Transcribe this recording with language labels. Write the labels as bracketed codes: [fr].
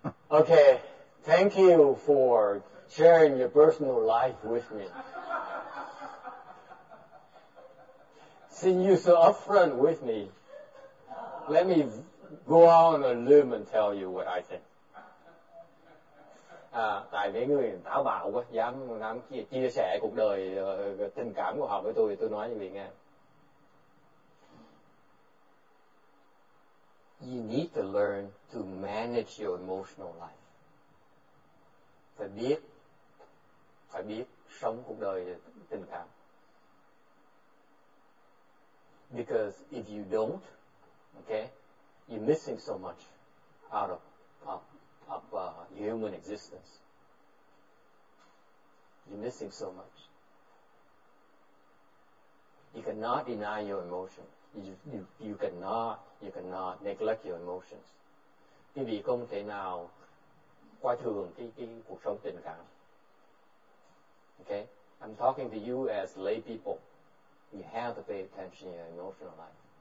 [en] Okay. Thank you for sharing your personal life with me. Since you're so upfront with me, let me go out on a limb and tell you what I think. [vi] À, tại vì người táo bạo quá dám dám chia sẻ cuộc đời tình cảm của họ với tôi, tôi nói như vậy nghe. [en] You need to learn to manage your emotional life. [vi] Phải biết sống cuộc đời tình cảm. [en] Because if you don't, okay, you're missing so much out of human existence. You're missing so much. You cannot deny your emotion. You cannot neglect your emotions. [vi] Quý vị không thể nào coi thường cái cuộc sống tình cảm. [en] Okay? I'm talking to you as lay people. You have to pay attention to your emotional life.